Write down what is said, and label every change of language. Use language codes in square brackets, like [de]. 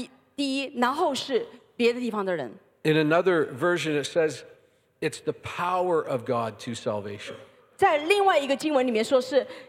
[zh] 在罗马书一章十六节，耶稣说：“我拒绝，就是让这样一个释放我们的大能的这样的一个福音被传颂的时候，我有任何的感觉羞愧的地方。然后我特别的兴奋，这样的一个福音要让每一个听见的，他们就要得救，是犹太人第一，然后是别的地方的人。” [en] In another version, it says, "It's the power of God to salvation." [zh] 在另外一个经文里面说是。